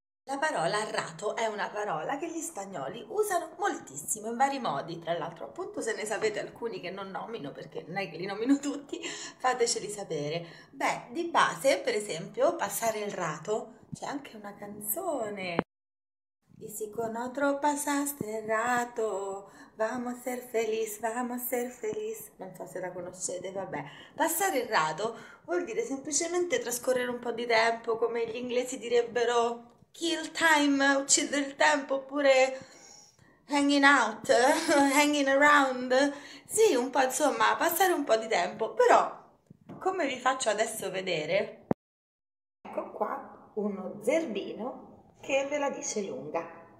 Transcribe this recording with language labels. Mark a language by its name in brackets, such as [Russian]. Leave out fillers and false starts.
[Italian] La parola rato è una parola che gli spagnoli usano moltissimo in vari modi. Tra l'altro, appunto, se ne sapete alcuni che non nomino perché non è che li nomino tutti, fateceli sapere. Beh, di base, per esempio, passare il rato, c'è anche una canzone. [Spanish] Y si con otro pasaste rato, vamos a ser feliz, vamos a ser feliz. [Italian] Non so se la conoscete, vabbè. Passare il rato vuol dire semplicemente trascorrere un po' di tempo, come gli inglesi direbbero. [English] Kill time, [Italian] uccidere il tempo, oppure [English] hanging out, hanging around. [Italian] Sì, un po', insomma, passare un po' di tempo, però come vi faccio adesso vedere, ecco qua uno zerbino che ve la dice lunga.